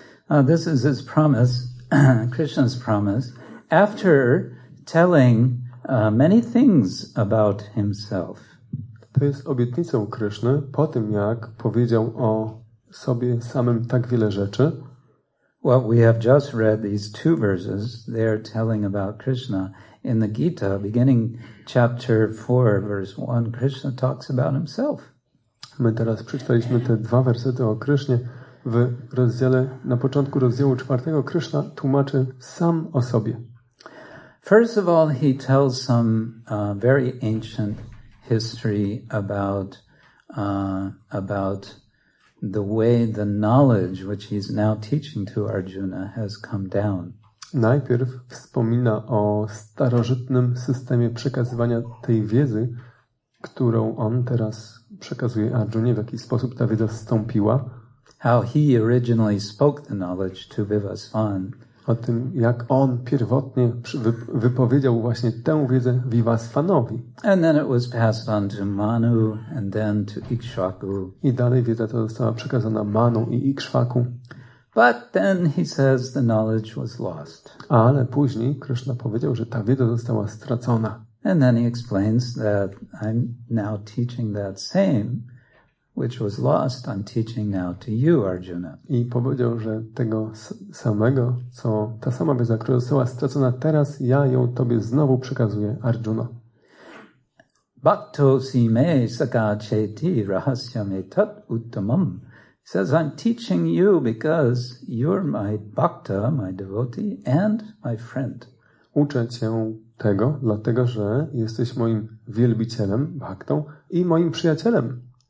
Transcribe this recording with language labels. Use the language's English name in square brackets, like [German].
[English] This is his promise, Krishna's promise, after telling many things about himself. [Polish] To jest obietnicą Kryszny po tym, jak powiedział o sobie samym tak wiele rzeczy. [English] Well, we have just read these two verses they are telling about Krishna in the Gita, beginning chapter 4, verse 1. Krishna talks about himself. [Polish] My teraz przeczytaliśmy te dwa wersety o Krysznie w rozdziale, na początku rozdziału 4. Krishna tłumaczy sam o sobie. [English] First of all, he tells some very ancient history about the way the knowledge which he's now teaching to Arjuna has come down. [Polish] Najpierw wspomina o starożytnym systemie przekazywania tej wiedzy, którą on teraz przekazuje Arjunie, w jaki sposób ta wiedza zstąpiła. [English] How he originally spoke the knowledge to Vivasvan. [Polish] O tym, jak on pierwotnie wypowiedział właśnie tę wiedzę Vivasvanowi. [English] And then it was passed on to Manu and then to Ikshvaku. [Polish] I dalej wiedza ta została przekazana Manu i Ikshvaku. [English] But then he says the knowledge was lost. [Polish] Ale później Krishna powiedział, że ta wiedza została stracona. [English] And then he explains that I'm now teaching that same which was lost, I'm teaching now to you, Arjuna. [Polish] I powiedział, że tego samego, co ta sama wiedza, która została stracona, teraz ja ją tobie znowu przekazuję, Arjuna. [Sanskrit] Bhakto si me saka cheti rahasya me tat uttamam. [English] He says, I'm teaching you because you're my bhakta, my devotee, and my friend. [Polish] Uczę cię tego, dlatego że jesteś moim wielbicielem, bhaktą, i moim przyjacielem.